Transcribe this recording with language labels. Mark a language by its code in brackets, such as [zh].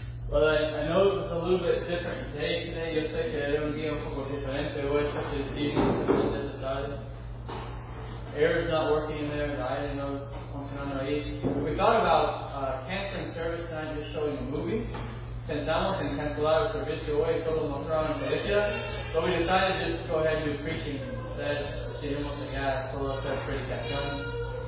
[en] Well, I know it was a little bit different today. Today, [es] yo sé que era un día un poco diferente hoy, [en] especially this evening, because this is not. Air is not working in there, and I didn't know what's functioning on our eight. We thought about canceling service tonight, just showing a movie. [es] Pensamos en cancelar el servicio hoy, solo mostrar una iglesia. [en] But we decided to just go ahead and do preaching instead. [es] Decidimos en ya solo hacer predicación.